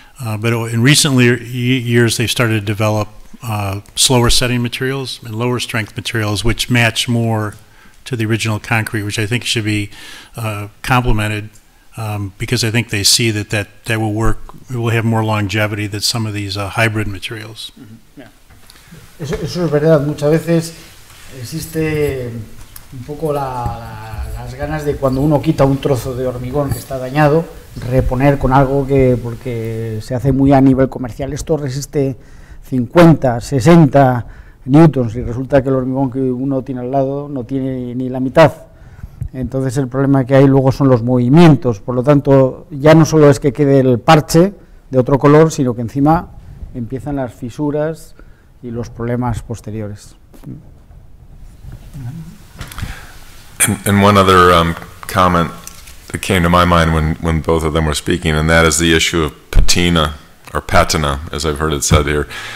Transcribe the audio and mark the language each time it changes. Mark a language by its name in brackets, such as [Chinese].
[English] But in recent years, they've started to develop slower setting materials and lower strength materials, which match more to the original concrete, which I think should be complemented, because I think they see that will work, it will have more longevity than some of these hybrid materials. [Spanish] Mm-hmm. Yeah. Eso es verdad. Muchas veces existe un poco las ganas de, cuando uno quita un trozo de hormigón que está dañado, reponer con algo que, porque se hace muy a nivel comercial, esto resiste 50, 60, newtons y resulta que el hormigón que uno tiene al lado no tiene ni la mitad. Entonces el problema que hay luego son los movimientos. Por lo tanto, ya no solo es que quede el parche de otro color, sino que encima empiezan las fisuras y los problemas posteriores. [English] And one other comment that came to my mind when both of them were speaking, and that is the issue of patina, or patina, as I've heard it said here.